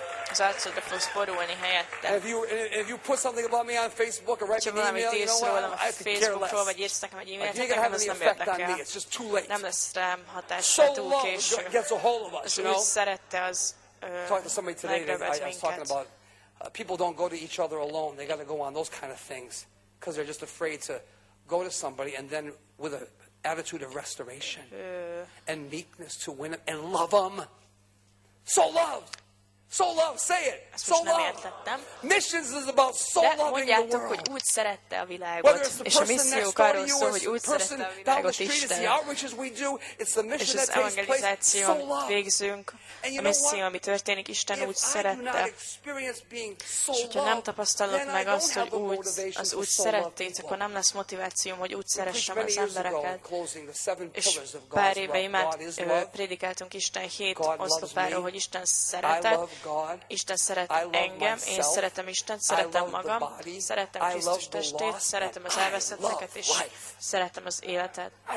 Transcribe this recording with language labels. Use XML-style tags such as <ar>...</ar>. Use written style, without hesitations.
<hu>az arcodra fogsz borulni helyette. Ha valamit írsz rólam a Facebookról, vagy írsz nekem egy e-mailt, nekem az nem érdekel. Nem lesz rám hatással, túl késő. Az úgy szerette, az megrövet minket.</hu> <en>People don't go to each other alone. They got to go on those kind of things. Because they're just afraid to go to somebody and then with an attitude of restoration and meekness to win them and love them. So love. So love. Say it. So love. Missions is about so loving the world.</en> <hu>Hogy úgy szerette a világot.</hu> <en>Whether it's the person next door to you or the person down the street, it's the outreaches we do. It's the mission that takes place. So love.</en> <hu>A misszió, ami történik, Isten úgy szerette. És hogyha nem tapasztalod meg azt, hogy úgy, az úgy szerettét, akkor nem lesz motivációm, hogy úgy szeressem az embereket. És pár éve imád prédikáltunk Isten 7 oszlopáról, hogy Isten szeretett, Isten szeret engem, én szeretem Isten, szeretem magam, szeretem Krisztus testét, szeretem az elveszetteket, és szeretem az életet.</hu>